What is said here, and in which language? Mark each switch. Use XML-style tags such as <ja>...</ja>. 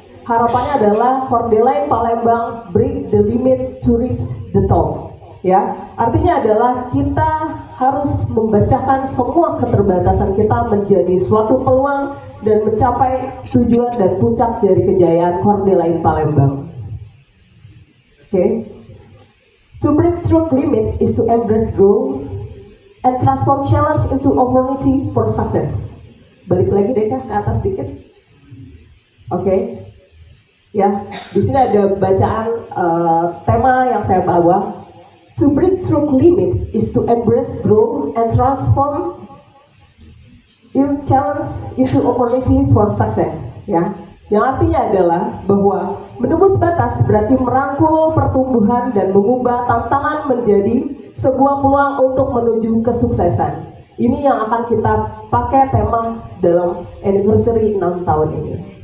<id>Harapannya adalah Cordella Inn Palembang</id> <en>break the limit to reach the top.</en> <id>Ya, artinya adalah kita harus membacakan semua keterbatasan kita menjadi suatu peluang dan mencapai tujuan dan puncak dari kejayaan Cordella Inn Palembang. Oke.</id> <en>To break through limit is to embrace growth and transform challenge into opportunity for success.</en> <id>Balik lagi deh kak, ke atas sedikit. Oke. Ya, di sini ada bacaan tema yang saya bawa.</id> <en>To break through limit is to embrace growth and transform your challenge into opportunity for success.</en> <id>Ya, yang artinya adalah bahwa menembus batas berarti merangkul pertumbuhan dan mengubah tantangan menjadi sebuah peluang untuk menuju kesuksesan. Ini yang akan kita pakai tema dalam anniversary 6 tahun ini.</id>